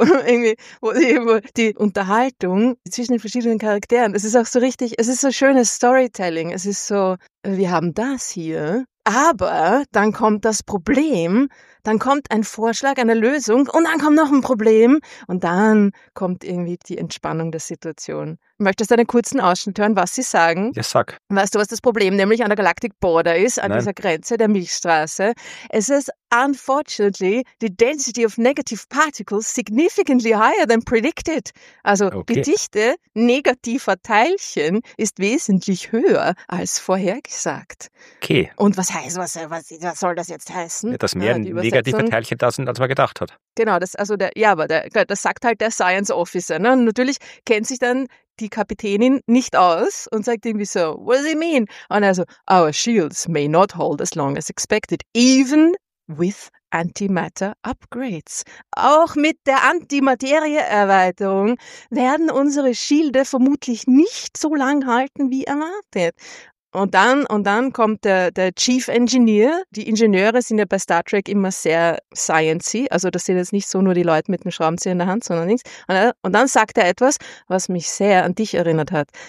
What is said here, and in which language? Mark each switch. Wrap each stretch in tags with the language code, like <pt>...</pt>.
<de>Wo die Unterhaltung zwischen den verschiedenen Charakteren, es ist auch so richtig, es ist so schönes Storytelling, es ist so, wir haben das hier, aber dann kommt das Problem, dann kommt ein Vorschlag, eine Lösung und dann kommt noch ein Problem und dann kommt irgendwie die Entspannung der Situation. Möchtest du einen kurzen Ausschnitt hören, was sie sagen? Ja, sag. Weißt du, was das Problem nämlich an der Galactic Border ist, an dieser Grenze der Milchstraße? Es ist,</de> <en>unfortunately, the density of negative particles significantly higher than predicted.</en> <de>Also die Dichte negativer Teilchen ist wesentlich höher als vorhergesagt. Okay. Und was soll das jetzt heißen? Ja, dass mehr negative Teilchen da sind, als man gedacht hat. Genau, das sagt halt der Science Officer. Ne? Natürlich kennt sich dann die Kapitänin nicht aus und sagt irgendwie so,</de> <en>what do you mean?</en> <de>Und also,</de> <en>our shields may not hold as long as expected, even with Antimatter Upgrades.</en> <de>Auch mit der Antimaterie-Erweiterung werden unsere Schilde vermutlich nicht so lang halten wie erwartet. Und dann kommt der Chief Engineer. Die Ingenieure sind ja bei Star Trek immer sehr sciencey. Also das sind jetzt nicht so nur die Leute mit dem Schraubenzieher in der Hand, sondern nichts. Und dann sagt er etwas, was mich sehr an dich erinnert hat.</de>